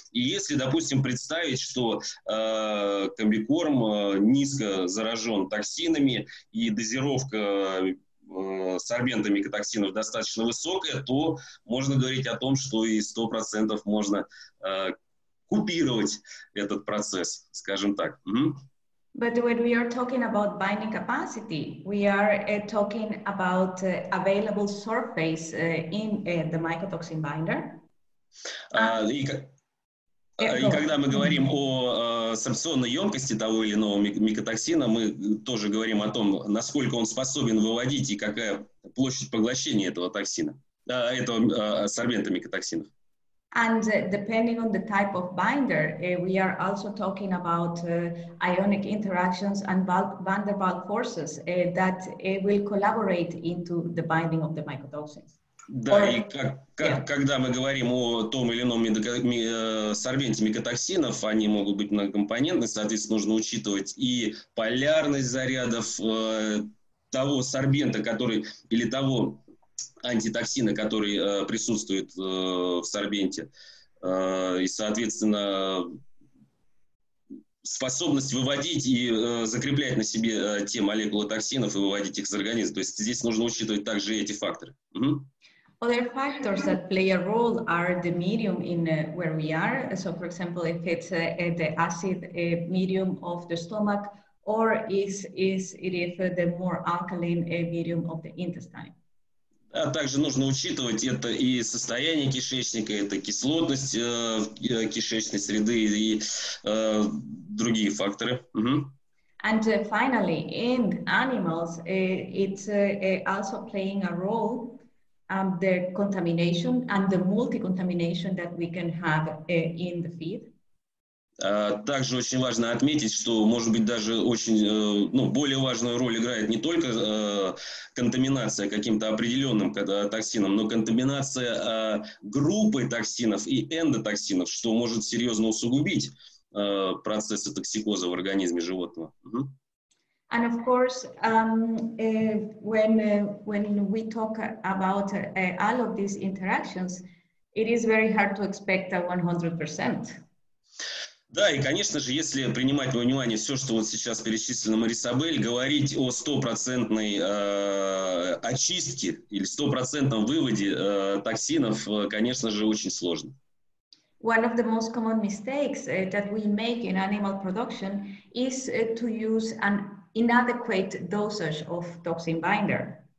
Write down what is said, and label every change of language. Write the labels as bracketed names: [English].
[Russian] И если, допустим, представить, что комбикорм низко заражен токсинами и дозировка сорбента микотоксинов достаточно высокая, то можно говорить о том, что и 100% можно купировать этот процесс, скажем так. [English] But when we are talking about binding capacity, we are talking about available surface in the mycotoxin binder. [Russian] И когда мы говорим о сорбционной емкости того или иного микотоксина, мы тоже говорим о том, насколько он способен выводить и какая площадь поглощения этого токсина, этого сорбента микотоксинов. [English] And depending on the type of binder, we are also talking about ionic interactions and van der Waals forces that will collaborate into the binding of the mycotoxins. [Russian] Да, or, и когда мы говорим о том или ином сорбенте микотоксинов, они могут быть многокомпонентны, соответственно, нужно учитывать и полярность зарядов того сорбента, который, или того антитоксина, который присутствует в сорбенте, и, соответственно, способность выводить и закреплять на себе те молекулы токсинов и выводить их из организма. То есть здесь нужно учитывать также эти факторы. [English] Other factors that play a role are the medium in where we are. So, for example, if it's the acid medium of the stomach, or is it the more alkaline medium of the intestine. [Russian] А также нужно учитывать это и состояние кишечника, это кислотность кишечной среды и другие факторы. [English] And finally, in animals, it's also playing a role. The contamination and the multi-contamination that we can have in the feed. [Russian] Также очень важно отметить, что, может быть, даже очень, ну, более важную роль играет не только контаминация каким-то определенным токсином, но контаминация группы токсинов и эндотоксинов, что может серьезно усугубить процессы токсикоза в организме животного. [English] And of course, when we talk about all of these interactions, it is very hard to expect a 100%. [Russian] Да, и, конечно же, если принимать во внимание все, что вот сейчас перечислено Марисабель, говорить о 100% очистке или 100% выводе токсинов, конечно же, очень сложно. [English] One of the most common mistakes that we make in animal production is to use an inadequate dosage of toxin binder.